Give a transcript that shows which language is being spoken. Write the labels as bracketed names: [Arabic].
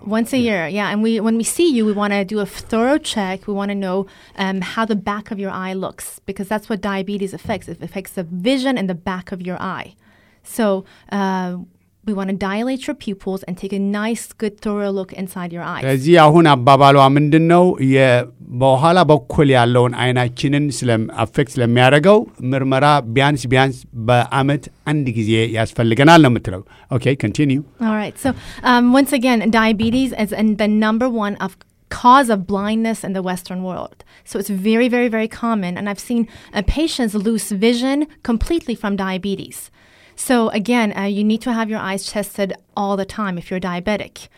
[English] And when we see you, we want to do a thorough check. We want to know how the back of your eye looks, because that's what diabetes affects. It affects the vision in the back of your eye. So we want to dilate your pupils and take a nice, good, thorough look inside your eyes. [Amharic] እዚ አሁን አባባሉ ምንድን ነው? የበኋላ በኩል ያለውን አይናችንን ስለም አፌክት ለሚያረጋው ምርመራ ቢያንስ በአመት አንድ ጊዜ ያስፈልገናል ነው የምትለው። [English] Okay, continue. All right. So, once again, diabetes is in the number one of cause of blindness in the Western world. So it's very, very, very common, and I've seen patients lose vision completely from diabetes. So again, you need to have your eyes tested all the time if you're diabetic.